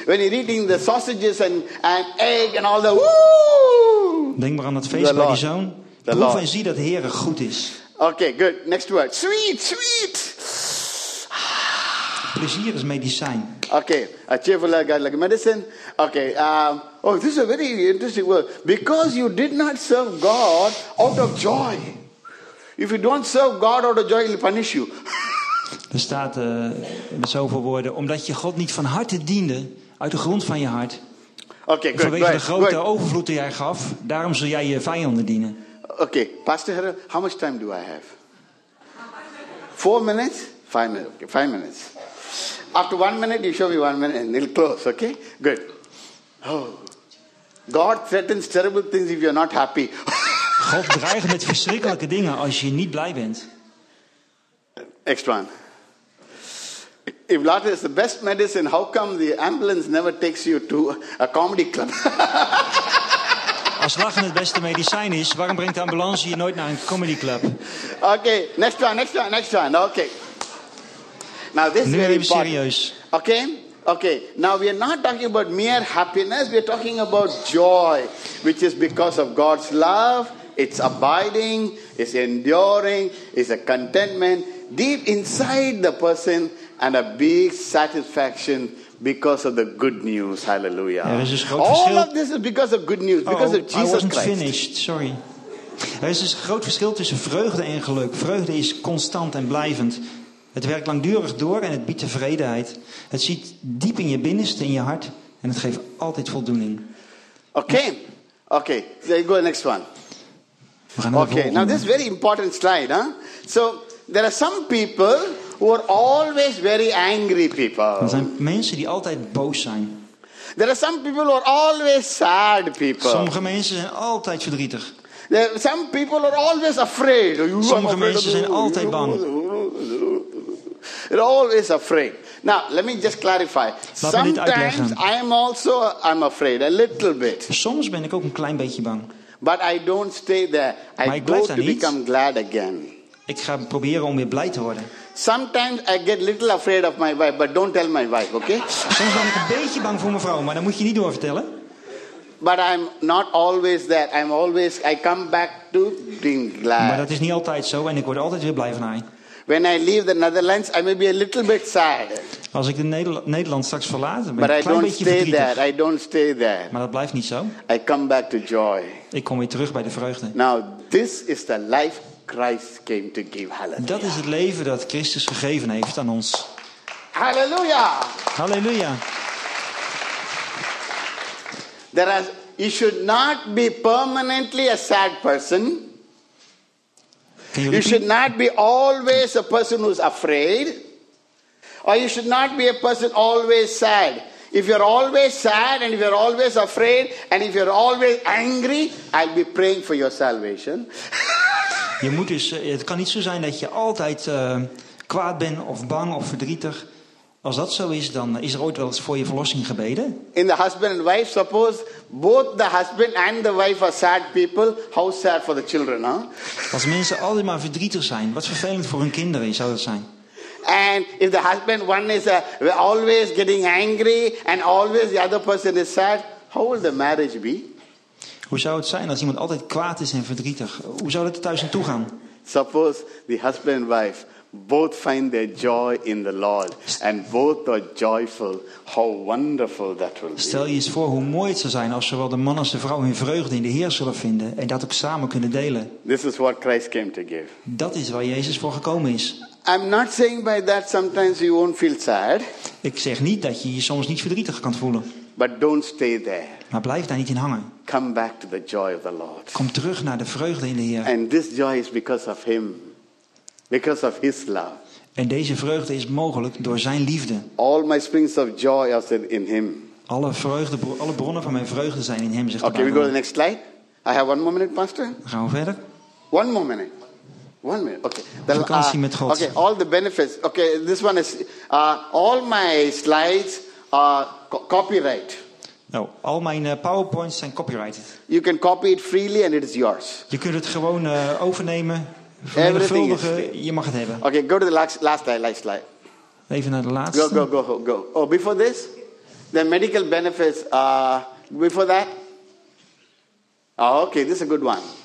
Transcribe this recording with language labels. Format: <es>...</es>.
<en>When you're eating the sausages and egg and all the woo.</en> <nl>Denk maar aan het feest bij die zoon. Proef en zie dat de Heer goed is.</nl> <en>Okay, good. Next word. Sweet, sweet.</en> <nl>Plezier is medicijn.</nl> <en>Okay, a cheerful God like medicine. Okay, this is a very interesting word. Because you did not serve God out of joy. If you don't serve God out of joy, he'll punish you.</en> <nl>Er staat met zoveel woorden. Omdat je God niet van harte diende, uit de grond van je hart.</nl> <en>Okay, good.</en> <nl>Vanwege de grote overvloed die jij gaf, daarom zul jij je vijanden dienen.</nl> <en>Okay, Pastor Harold, how much time do I have? 4 minutes? 5 minutes. Okay, 5 minutes. After 1 minute, you show me 1 minute and it'll close, okay? Good. Oh. God threatens terrible things if you're not happy.</en> <nl>God dreigt met verschrikkelijke dingen als je niet blij bent.</nl> <en>Next one. If laughter is the best medicine, how come the ambulance never takes you to a comedy club?</en> <nl>Als lachen het beste medicijn is, waarom brengt de ambulance je nooit naar een comedy club?</nl> <en>Okay, next one. Okay. Now this</en> <nl>nu</nl> <en>is very important.</en> <nl>Serieus.</nl> <en>Okay. Now we are not talking about mere happiness, we are talking about joy, which is because of God's love. It's abiding, it's enduring, it's a contentment deep inside the person and a big satisfaction because of the good news. Hallelujah.</en> <nl>Er is een groot</nl> <en>All</en> <nl>verschil.</nl> <en>Of this is because of good news, because of Jesus I wasn't Christ. Finished, sorry.</en> <nl>Er is een groot verschil tussen vreugde en geluk. Vreugde is constant en blijvend. Het werkt langdurig door en het biedt tevredenheid. Het zit diep in je binnenste, in je hart. En het geeft altijd voldoening.</nl> <en>Okay. There you go, next one. Okay, now this is a very important slide, huh? So there are some people who are always very angry people.</en> <nl>Er zijn mensen die altijd boos zijn.</nl> <en>There are some people who are always sad people.</en> <nl>Sommige mensen zijn altijd verdrietig.</nl> <en>There are some people who are always afraid.</en> <nl>Sommige mensen zijn altijd bang.</nl> <en>They're always afraid. Now, let me just clarify. Sometimes I'm afraid a little bit.</en> <nl>Soms ben ik ook een klein beetje bang.</nl> <en>But I don't stay there.</en> <nl>Maar</nl> <en>I go to become glad again.</en> <nl>Ik ga proberen om weer blij te worden.</nl> <en>Sometimes I get a little afraid of my wife, but don't tell my wife, okay?</en> <nl>Soms ben ik een beetje bang voor mijn vrouw, maar dat moet je niet doorvertellen.</nl> <en>But I'm not always there. I come back to being glad.</en> <nl>Maar dat is niet altijd zo en ik word altijd weer blij van haar.</nl> <en>When I leave the Netherlands, I may be a little bit sad.</en> <nl>Als ik de Nederland straks verlaat, ben</nl> <en>but</en> <nl>ik een klein beetje verdrietig.</nl> <en>I don't stay there.</en> <nl>Maar dat blijft niet zo.</nl> <en>I come back to joy.</en> <nl>Ik kom weer terug bij de vreugde.</nl> <en>Now, this is the life Christ came to give. Hallelujah.</en> <nl>Dat is het leven dat Christus gegeven heeft aan ons.</nl> <en>Hallelujah. Hallelujah. You should not be permanently a sad person. You should not be always a person who's afraid. Or you should not be a person always sad. If you're always sad and if you're always afraid and if you're always angry, I'll be praying for your salvation.</en> <nl>Je moet dus, het kan niet zo zijn dat je altijd kwaad bent of bang of verdrietig. Als dat zo is, dan is er ooit wel eens voor je verlossing gebeden.</nl> <en>In the husband and wife, suppose both the husband and the wife are sad people. How sad for the children, huh?</en> <nl>Als mensen altijd maar verdrietig zijn, wat vervelend voor hun kinderen zou dat zijn.</nl> <en>And if the husband one is always getting angry and always the other person is sad, how will the marriage be?</en> <nl>Hoe zou het zijn als iemand altijd kwaad is en verdrietig? Hoe zou dat er thuis naartoe gaan?</nl> <en>Suppose the husband and wife both find their joy in the Lord and both are joyful, how wonderful that will be.</en> <nl>Stel je eens voor hoe mooi het zou zijn als zowel de man als de vrouw hun vreugde in de Heer zullen vinden en dat ook samen kunnen delen.</nl> <en>This is what Christ came to give.</en> <nl>Dat is waar Jezus voor gekomen is.</nl> <en>I'm not saying by that sometimes you won't feel sad.</en> <nl>Ik zeg niet dat je je soms niet verdrietig kan voelen.</nl> <en>But don't stay there.</en> <nl>Maar blijf daar niet in hangen.</nl> <en>Come back to the joy of the Lord.</en> <nl>Kom terug naar de vreugde in de Heer.</nl> <en>And this joy is because of him. Because of his love.</en> <nl>En deze vreugde is mogelijk door zijn liefde.</nl> <en>All my springs of joy are said in him.</en> <nl>Alle bronnen van mijn vreugde zijn in hem, zegt de Bijbel.</nl> <en>Okay, we go to the next slide. I have one more minute, pastor.</en> <nl>Gaan we verder?</nl> <en>One more minute.</en> <nl>Okay. Vakantie met God.</nl> <en>Okay, all the benefits. Okay, this one is all my slides are copyright.</en> <nl>Nou, al mijn powerpoints zijn copyrighted.</nl> <en>You can copy it freely and it is yours.</en> <nl>Je kunt het gewoon overnemen, vermenigvuldigen. Je mag het hebben.</nl> <en>Okay, go to the last slide.</en> <nl>Even naar de laatste.</nl> <en>Go. Oh, before this, the medical benefits. Before that. Oh, okay, this is a good one.</en>